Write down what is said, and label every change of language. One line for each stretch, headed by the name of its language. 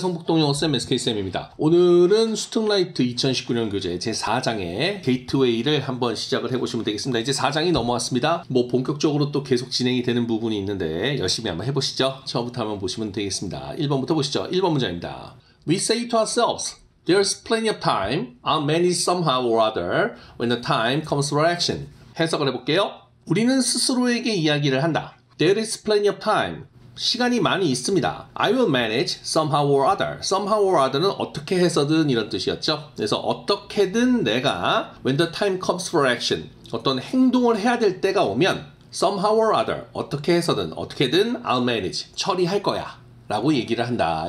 Korean: 성북동요 쌤 SK쌤입니다. 오늘은 스튜딩라이트 2019년 교재 제4장의 게이트웨이를 한번 시작을 해보시면 되겠습니다. 이제 4장이 넘어왔습니다. 뭐 본격적으로 또 계속 진행이 되는 부분이 있는데 열심히 한번 해보시죠. 처음부터 한번 보시면 되겠습니다. 1번부터 보시죠. 1번 문장입니다.
English: We say to ourselves, there's plenty of time, I'll manage somehow or other when the time comes for action.
Korean: 해석을 해볼게요. 우리는 스스로에게 이야기를 한다.
English: There is plenty of time.
Korean: 시간이 많이 있습니다.
English: I will manage somehow or other.
Korean: Somehow or other는 어떻게 해서든 이런 뜻이었죠. 그래서 어떻게든 내가
English: when the time comes for action,
Korean: 어떤 행동을 해야 될 때가 오면
English: somehow or other,
Korean: 어떻게 해서든 어떻게든
English: I'll manage,
Korean: 처리할 거야 라고 얘기를 한다.